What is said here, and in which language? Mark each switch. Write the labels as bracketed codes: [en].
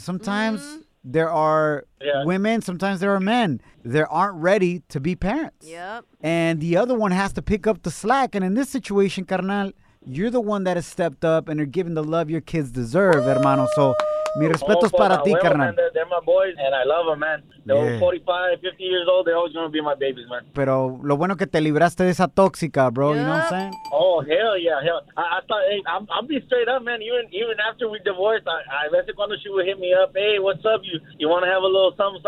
[en] Sometimes there are women, sometimes there are men that aren't ready to be parents. Yep. And the other one has to pick up the slack. And in this situation, carnal, you're the one that has stepped up and are giving the love your kids deserve, hermano. [es] So, mi respeto's para ti, carnal. [en] Man, they're my boys, and I love them, man. They're 45, 50 years old. They're always going to be my babies, man. [es] Pero lo bueno que te libraste de esa tóxica, bro. [en] Yep. You know what I'm saying? Oh, hell yeah. I'll be straight up, man. Even after we divorced, I [es] veces cuando [en] she would hit me up, hey, what's up? You want to have a little something?